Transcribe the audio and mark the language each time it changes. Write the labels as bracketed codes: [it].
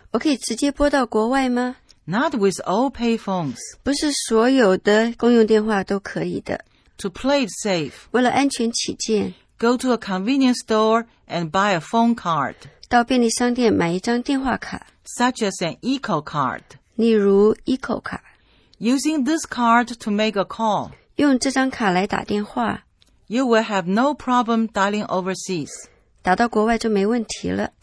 [zh] 我可以直接拨到国外吗？ [en] Not with all payphones. [zh] 不是所有的公用电话都可以的。 [en] To play it safe. [zh] 为了安全起见。 [en] Go to a convenience store and buy a phone card. [zh] 到便利商店买一张电话卡。 [en] Such as an eco card. [zh] 例如 eco 卡。 [en] Using this card to make a call. [zh] 用这张卡来打电话。 [en] You will have no problem dialing overseas. [zh] 打到国外就没问题了。